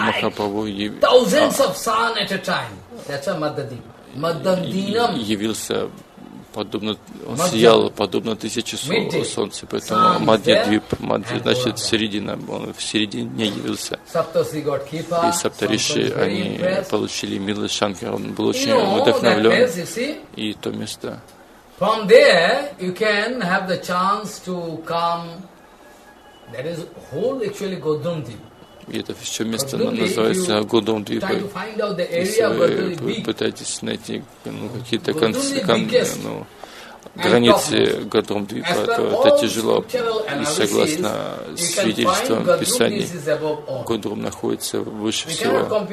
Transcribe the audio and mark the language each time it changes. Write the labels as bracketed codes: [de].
[ru] Махапрабху явился подобно, он сиял подобно тысяче солнца, поэтому Мадья-Двип, значит, середина, он в середине явился. И Саптариши, они получили милость Шанкара, он был очень вдохновлен. И то место. [en] From there, you can have the chance to come, that is whole actually Godundip. [ru] И это все место называется Годундвипа. Если вы пытаетесь найти ну, какие-то ну, границы Годундвипа, то это тяжело. И согласно свидетельствам Писаний, Годрум находится выше всего.